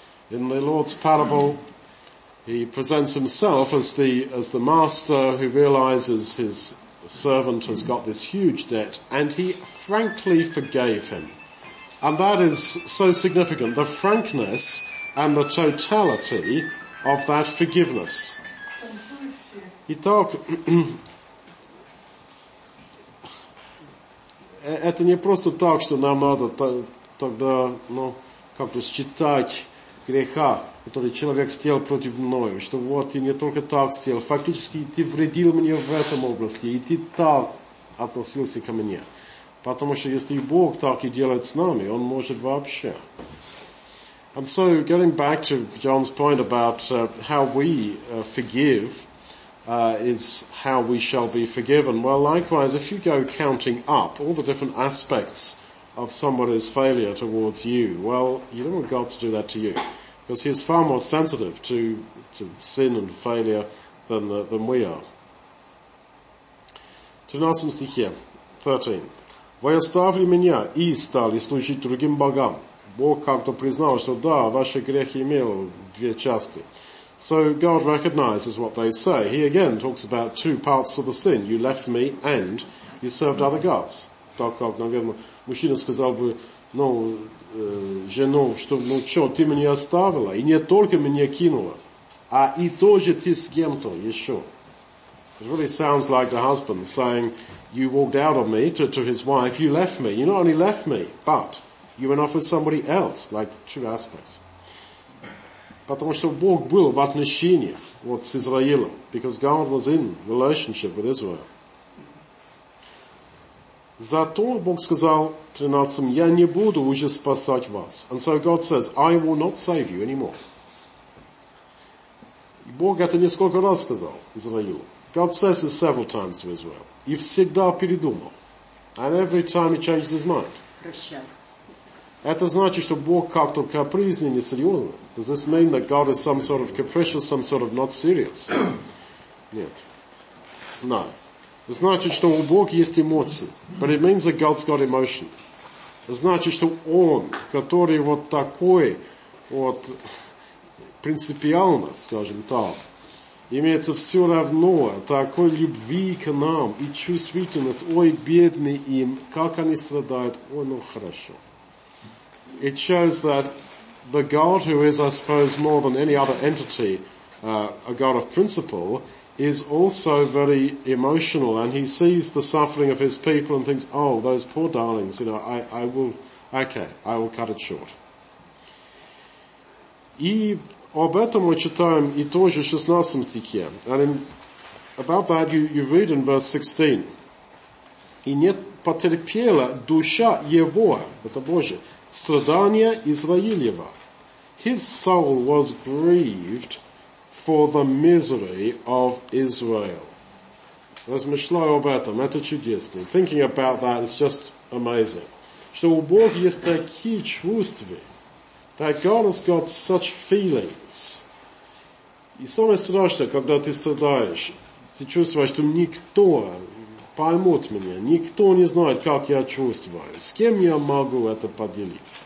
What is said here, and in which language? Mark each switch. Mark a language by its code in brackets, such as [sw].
[en] In the Lord's parable, he presents himself as the master who realizes his servant has got this huge debt, and he frankly forgave him. And that is so significant, the frankness and the totality of that forgiveness. Итак, [ru] это не просто так, что нам надо тогда, ну, как-то считать греха, который человек сделал против мной, что вот ты не только так сделал, фактически ты вредил мне в этом области, и ты так относился ко мне. Потому что если Бог так и делает с нами, Он может вообще. [en] And so, getting back to John's point about how we forgive is how we shall be forgiven. Well, likewise, if you go counting up all the different aspects of somebody's failure towards you, well, you don't want God to do that to you. Because he's far more sensitive to sin and failure than we are. [ru] В 13 стихе, 13. «Вы оставили меня и стали служить другим богам». Бог как-то признал, что да, ваши грехи имели две части. [en] So God recognizes what they say. He again talks about two parts of the sin. You left me and you served other gods. [ru] Так как, наверное, мужчина сказал бы, ну, жену, что, ну что, ты меня оставила, и не только меня кинула, а и тоже ты с кем-то еще. [en] It really sounds like the husband saying, you walked out on me to his wife, you left me. You not only left me, but you went off with somebody else, like two aspects. [ru] Потому что Бог был в отношениях вот с Израилем, [en] because God was in relationship with Israel. [ru] Зато Бог сказал 13-м, я не буду уже спасать вас. [en] And so God says, I will not save you anymore. [ru] И Бог это несколько раз сказал Израилю. [en] God says this several times to Israel. [ru] И всегда передумал. [en] And every time he changes his mind. [ru] Это значит, что Бог как-то капризный, несерьезный. [en] Does this mean that God is some sort of capricious, some sort of not serious? [ru] Нет. No. Это значит, что у Бога есть эмоции. [en] But it means that God's got emotion. [ru] Это значит, что Он, который вот такой, вот, принципиально, скажем так, имеется все равно такой любви к нам и чувствительность. Ой, бедный им, как они страдают. Ой, ну хорошо. [en] It shows that the God who is, I suppose, more than any other entity, a God of principle, is also very emotional, and he sees the suffering of his people and thinks, oh, those poor darlings, you know, I will cut it short. [ru] И об этом мы читаем и тоже в 16 стихе. [en] And in, about that you read in verse 16. [ru] И не потерпела душа его, это Божие, страдания Израилева. [en] His soul was grieved for the misery of Israel. [ru] Размышляю об этом, это чудесно. [en] Thinking about that is just amazing. [ru] Что у Бога есть такие чувства, [en] that God has got such feelings. [ru] И самое страшное, когда ты страдаешь, ты чувствуешь, что никто поймет меня, никто не знает, как я чувствую, с кем я могу это поделить.